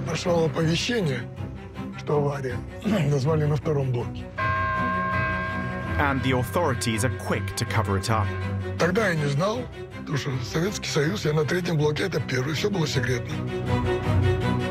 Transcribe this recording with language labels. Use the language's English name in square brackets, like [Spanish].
[Russian] Пошло оповещение, что авария. Назвали на втором блоке. [English] And the authorities are quick to cover it up. [Russian] Тогда я не знал, потому что Советский Союз, я на третьем блоке, это первый, все было секретно.